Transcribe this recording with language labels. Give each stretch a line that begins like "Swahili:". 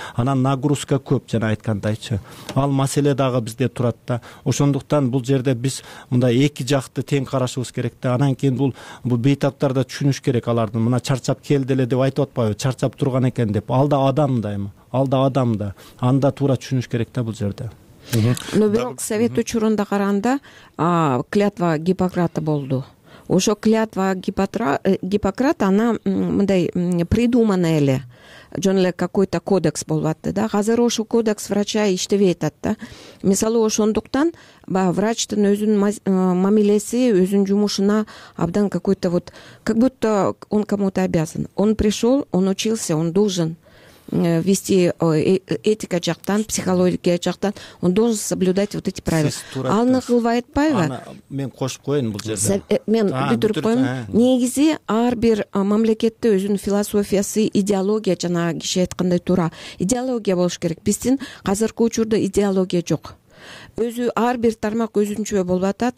Kyrgyz: Анан нагрузка көп, жана айткандайчы ал маселе дагы бизде турат да. Ошондуктан бул жерде биз мындай эки жакты тең карашыбыз керек да. Анан кийин бул бейтап жаштар да түшүнүш керек алардын. Мына чарчап келди эле деп айтып атпайбы, чарчап турган экен деп. Ал да адам да эми. Ал да адам да. Анда туура түшүнүш керек да бул жерде. Но бирок совет учурунда караганда клятва Гиппократа болду. Ошо клятва Гиппократа, она мындай придуманная эле. Жөн эле какой-то кодекс болуп атты да. Азыр ошо кодекс врача иштебей атат да. Мисалы ошондуктан баягы врачтын өзүнүн мамилеси, өзүнүн жумушуна абдан
Russian: какой-то вот как будто он кому-то обязан. Он пришел, он учился, он должен вести
Kyrgyz: этика жактан, психология жактан,
Russian: он должен соблюдать вот эти правила.
Kyrgyz: Алны кылбайт пайбы? Мен кошуп коеюн бул жерде. Мен бүтүрүп коеюн. Негизи ар бир мамлекетте өзүнүн философиясы, идеология жана киши айткандай туура идеология болуш керек. Биздин азыркы учурда идеология жок. Өзү ар бир тармак өзүнчө болуп атат.